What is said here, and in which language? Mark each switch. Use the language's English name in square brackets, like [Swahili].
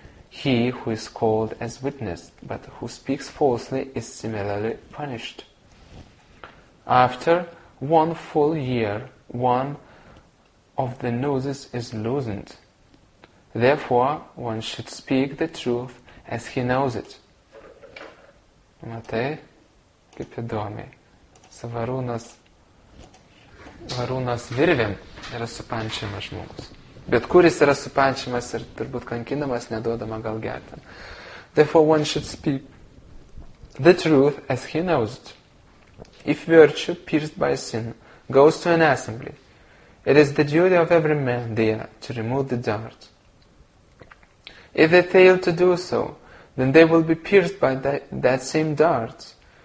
[English] He who is called as witness but who speaks falsely is similarly punished." After one full year, one of the noses is loosened. Therefore, one should speak the truth as he knows it. [Lithuanian] Matai, kaip įdomiai. Su varūnas virvėm yra supančiamas žmogus. Bet kuris yra supančiamas ir turbūt kankinamas, neduodama gal gerti. [English] Therefore, one should speak the truth as he knows it. If virtue, pierced by sin, goes to an assembly, it is the duty of every man there to remove the dart. If they fail to do so, then they will be pierced by that same dart.